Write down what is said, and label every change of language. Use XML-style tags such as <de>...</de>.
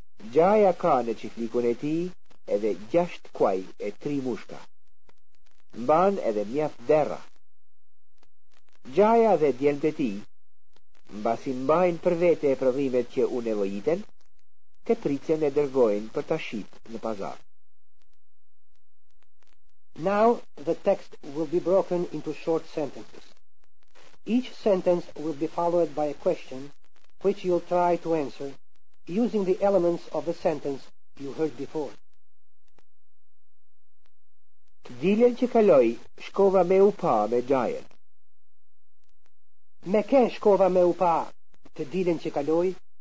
<sq>Gjaja ka në qiflikun e ti edhe 6 kuaj e 3 mushka. Mban edhe mjaft derra. Gjaja dhe djelmët e ti, mbasi mbajnë për vete e prodhimet që u nevojiten, këpricën e dërgojnë për ta shit në pazar.</sq> <en>Now the text will be broken into short sentences. Each sentence will be followed by a question which you'll try to answer using the elements of the sentence you heard before.</en> <sq>Të dilën që kaloi, shkova me u pa me Gjajën. Me ken shkova me u pa të dilën që kaloi?</sq>